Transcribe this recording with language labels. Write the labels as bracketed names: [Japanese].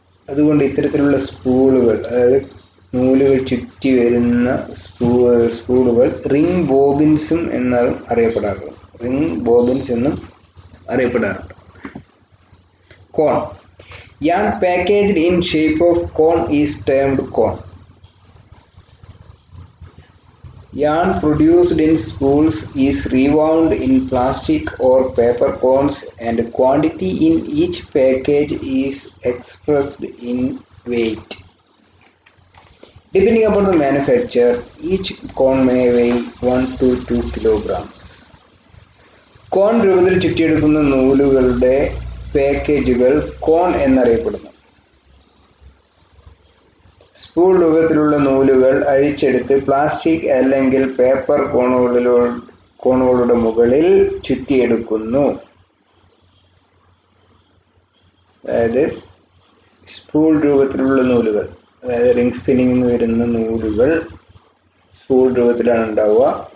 [Malayalam] അതുകൊണ്ട് ഇത്തരത്തിലുള്ള സ്പൂളുകൾ, അതായത് നൂലുകൾ ചുറ്റി വരുന്ന സ്പൂളുകൾ റിംഗ് ബോബിൻസും എന്നും അറിയപ്പെടാറുണ്ട്. [English] Cone, yarn packaged in shape of cone is termed cone. Yarn produced in spools is rewound in plastic or paper cones and quantity in each package is expressed in weight. Depending upon the manufacturer, each cone may weigh 1 to 2 kilograms. Cone [Malayalam] രൂപത്തിൽ ചുറ്റിയെടുക്കുന്ന നൂലുകളുടെ പാക്കേജുകൾ കോൺ എന്നറിയപ്പെടുന്നു. Spool രൂപത്തിലുള്ള നൂലുകൾ അഴിച്ചെടുത്ത് plastic അല്ലെങ്കിൽ paper കോണുകളുടെ മുകളിൽ ചുറ്റിയെടുക്കുന്നു. അതായത് spool രൂപത്തിലുള്ള നൂലുകൾ, അതായത് റിംഗ് സ്പിന്നിംഗ് എന്ന് വരുന്ന നൂലുകൾ സ്പൂൾ രൂപത്തിലാണ് ഉണ്ടാവുക.